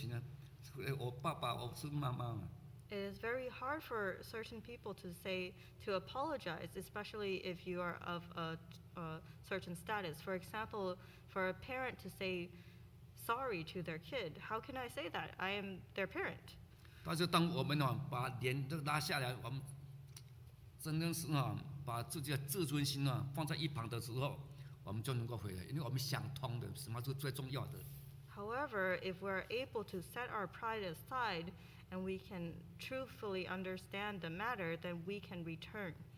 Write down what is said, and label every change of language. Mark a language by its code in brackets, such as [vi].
[zh] 我们很难去跟别人说对不起哈，连我们父母亲哦，有些时候也很难跟我们的孩子说对不起。我们怎么可以跟他说对不起呢？我爸爸，我是妈妈。 [en] It is very hard for certain people to say to apologize, especially if you are of a certain status. For example, for a parent to say sorry to their kid, how can I say that? I am their parent. [zh] 但是当我们把脸都拉下来，我们真正是把自己的自尊心放在一旁的时候，我们就能够回来，因为我们想通的，什么是最重要的。 [en] However, if we are able to set our pride aside, and we can truthfully understand the matter, then we can return.